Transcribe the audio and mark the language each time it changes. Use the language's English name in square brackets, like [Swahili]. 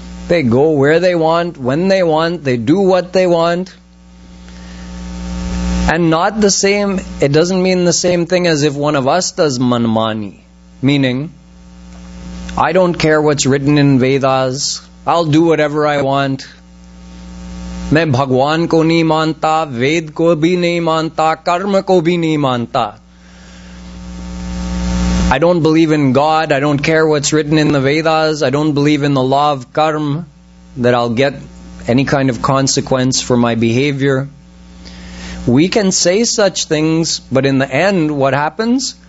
[English] They go where they want, when they want, they do what they want. And not the same, it doesn't mean the same thing as if one of us does manmani. Meaning, I don't care what's written in Vedas, I'll do whatever I want. [Hindi] मैं भगवान को नहीं मानता, वेद को भी नहीं मानता, कर्म को भी नहीं मानता. [English] I don't believe in God, I don't care what's written in the Vedas, I don't believe in the law of karma, that I'll get any kind of consequence for my behavior. We can say such things, but in the end, what happens?